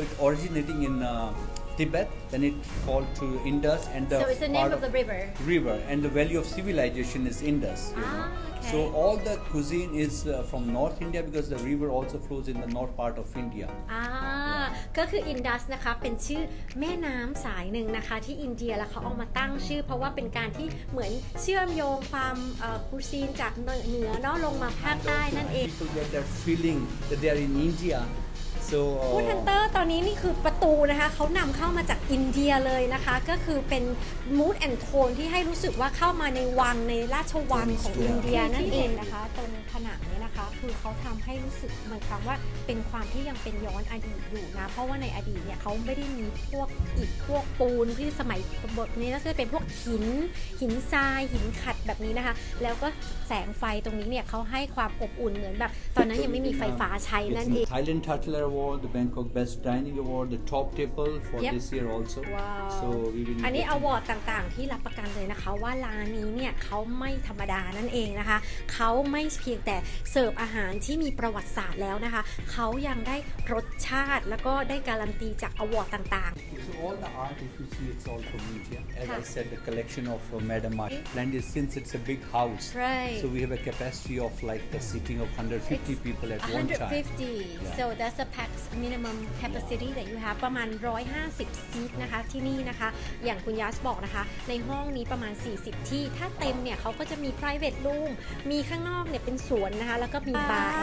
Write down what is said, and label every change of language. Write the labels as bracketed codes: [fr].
[en] It's originating in Tibet, then it called to Indus. And so it's the name of the river? River, and the valley of civilization is Indus. You know? So all the cuisine is from North India because the river also flows in the north part of India. [th] ก็คืออินดัสนะคะเป็นชื่อแม่น้ำสายหนึ่งนะคะที่อินเดียแล้วเขาเอามาตั้งชื่อเพราะว่าเป็นการที่เหมือนเชื่อมโยงความคุซีนจากเหนือเนาะลงมาภาคใต้นั่นเอง [en] to get that feeling that they are in India so [th] Food Hunter ตอนนี้นี่คือประตูนะคะเขานำเข้ามาจากอินเดียเลยนะคะก็คือเป็น mood and tone ที่ให้รู้สึกว่าเข้ามาในวังในราชวังของอินเดียนั่นเองนะคะตรงผนังนี้นะคะคือเขาทำให้รู้สึกเหมือนคำว่าเป็นความที่ยังเป็นย้อนอดีตอยู่นะเพราะว่าในอดีตเนี่ยเขาไม่ได้มีพวกอิฐพวกปูนที่สมัยบทนี้ก็จะเป็นพวกหินทรายหินขัดแบบนี้นะคะแล้วก็แสงไฟตรงนี้เนี่ยเขาให้ความอบอุ่นเหมือนแบบตอนนั้นยังไม่มีไฟฟ้าใช้นั่นเอง [en] Thailand Tatler Award the Bangkok Best Dining Award the top table for yep. this year also wow. so [th] อันนี้ award ต่างๆที่รับประกันเลยนะคะว่าร้านนี้เนี่ยเขาไม่ธรรมดานั่นเองนะคะเขาไม่เพียงแต่เสิร์ฟอาหารที่มีประวัติศาสตร์แล้วนะคะเขายังได้รสชาติแล้วก็ได้การันตีจากอวอร์ดต่าง [en] ๆ So all the art if you see it's all from India as I said the collection of Madam Mart land is since it's a big house right. so we have a capacity of like the seating of 150 it's people at 150. one time 150 yeah. so that's a packed minimum capacity yeah. that you have [th] ประมาณ150 seat นะคะที่นี่นะคะอย่างคุณยาสบอกนะคะในห้องนี้ประมาณ40ที่ถ้าเต็มเนี่ยเขาก็จะมี private room มีข้างนอกเนี่ยเป็นสวนนะคะแล้วก็มีบาร์